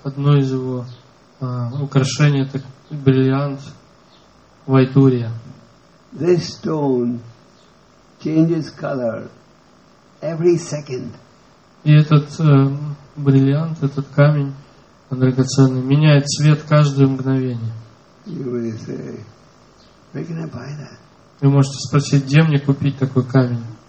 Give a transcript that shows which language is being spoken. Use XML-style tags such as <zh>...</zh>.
<ru>Одно из его украшений — это бриллиант Вайдурья.</ru> <en>This stone changes color every second.</en> <ru>И этот бриллиант, этот камень драгоценный, меняет цвет каждое мгновение.</ru> <en>You really say, where can I buy that?</en> <ru>Вы можете спросить, где мне купить такой камень?</ru>